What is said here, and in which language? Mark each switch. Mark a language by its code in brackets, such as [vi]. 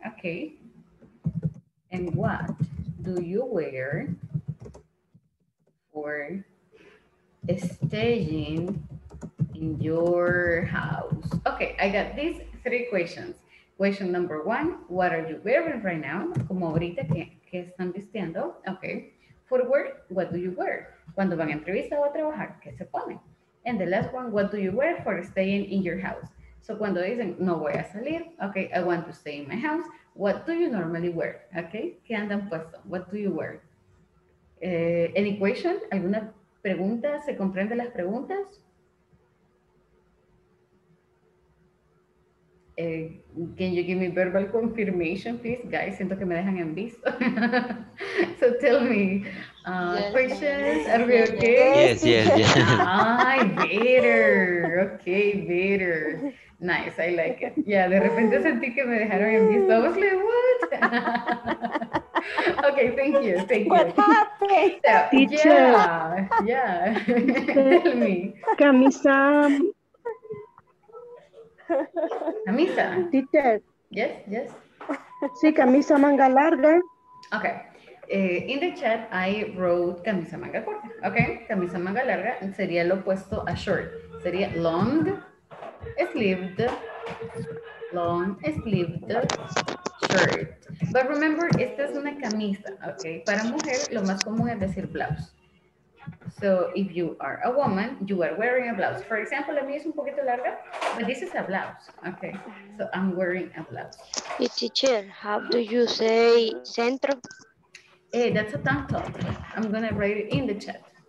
[en] Okay, and what do you wear for staging in your house? Okay, I got these three questions. Question number one, what are you wearing right now? [es] Como ahorita que están vistiendo. [en] Okay, for work, what do you wear? [es] Cuando van a entrevista o a trabajar, ¿qué se ponen? [en] And the last one, what do you wear for staying in your house? So [es] cuando dicen, no voy a salir, [en] okay, I want to stay in my house, what do you normally wear? Okay, [es] ¿qué andan puesto? [en] What do you wear? Any question? [es] ¿Alguna preguntas? ¿Se comprende las preguntas? [en] Can you give me verbal confirmation, please? Guys, [es] siento que me dejan en visto. [en] So tell me, questions, are we okay? Yes. Ay, better. Okay, better. Nice, I like it. Yeah, [es] de repente sentí que me dejaron en visto. [en] I was like, what? Okay, thank you. What happened? Yeah, teacher. Tell me. [es] Camisa. Teacher. [en] Yes. [es] Sí, camisa manga larga. [en] Okay. In the chat, I wrote [es] camisa manga corta. Okay, camisa manga larga sería lo opuesto a short. Sería long sleeved shirt. [en] But remember, [es] esta es una camisa, okay? Para mujer, lo más común es decir blouse. [en] So if you are a woman, you are wearing a blouse. For example, [es] la mía es un poquito larga, [en] but this is a blouse, okay? So I'm wearing a blouse. Teacher, how do you say centro? Hey, that's a tank top. I'm gonna write it in the chat.